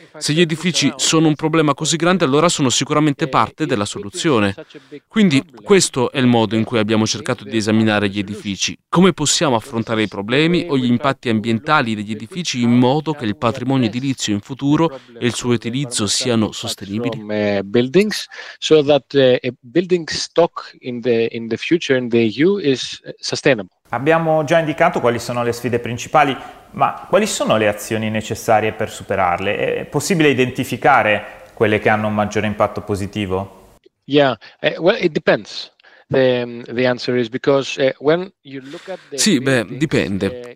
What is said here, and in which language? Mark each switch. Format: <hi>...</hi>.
<it>Se gli edifici sono un problema così grande, allora sono sicuramente parte della soluzione. Quindi questo è il modo in cui abbiamo cercato di esaminare gli edifici. Come possiamo affrontare i problemi o gli impatti ambientali degli edifici in modo che il patrimonio edilizio in futuro e il suo utilizzo siano sostenibili?</it> <en>Buildings, so that a building stock in the future in the EU is sustainable.</en> <it>Abbiamo già indicato quali sono le sfide principali, ma quali sono le azioni necessarie per superarle? È possibile identificare quelle che hanno un maggiore impatto positivo?</it> <en>Well, it depends.</en> <it>Sì, beh, dipende.</it>